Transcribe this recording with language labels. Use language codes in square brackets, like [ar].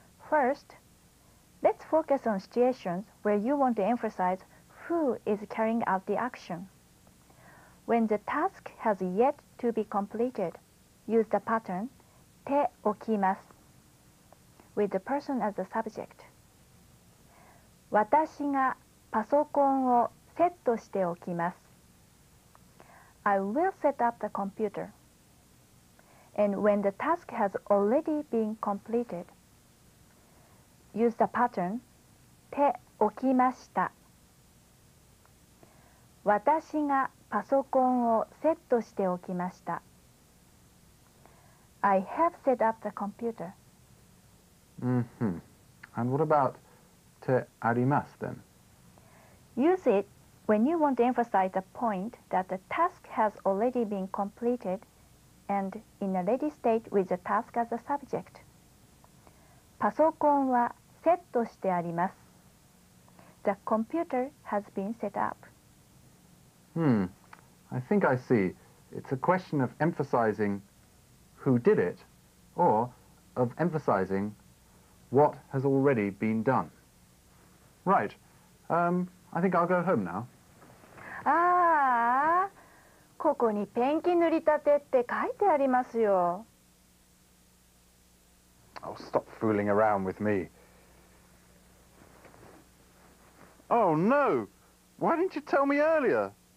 [en] First, let's focus on situations where you want to emphasize who is carrying out the action. When the task has yet to be completed, use the pattern て置きます with the person as the subject. [ja] 私がパソコンをセットしておきます。 [en] I will set up the computer. And when the task has already been completed, use the pattern 手置きました。 [ja] 私がパソコンをセットしておきました。 [en] I have set up the computer. Mm-hmm. And what about... あります then. Use it when you want to emphasize the point that the task has already been completed and in a ready state with the task as a subject. [ja] パソコンはセットしてあります。 [en] The computer has been set up. I think I see. It's a question of emphasizing who did it or of emphasizing what has already been done. Right. I think I'll go home now. [ja] ああ、ここにペンキ塗りたてって書いてありますよ。 [en] Oh, stop fooling around with me. Oh, no! Why didn't you tell me earlier?